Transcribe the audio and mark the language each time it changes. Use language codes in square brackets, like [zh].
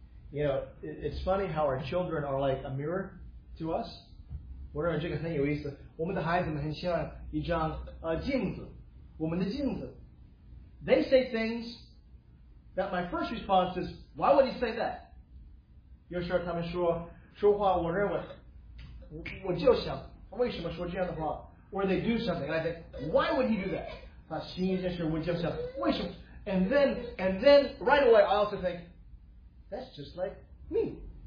[en] You know, it's funny how our children are like a mirror to us. [zh] 我认为这个很有意思。我们的孩子们很像一张镜子。我们的镜子。 [en] they say things that my first response is, why would he say that? [zh] 有时候他们说话, 我认为我就想为什么说这样的话, [en] or they do something, and I think, why would he do that? [zh] 他心里在想为什么, [en] and then right away I also think, that's just like me.